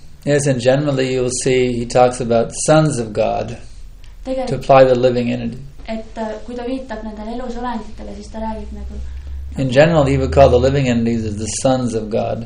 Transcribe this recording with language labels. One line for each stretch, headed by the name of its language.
English: Yes, and generally you will see he talks about sons of God to apply the living entity.
Estonian: Et kui ta viitab nendele elusolenditele, siis ta räägib nagu
English: in general he would call the living entities as the sons of God.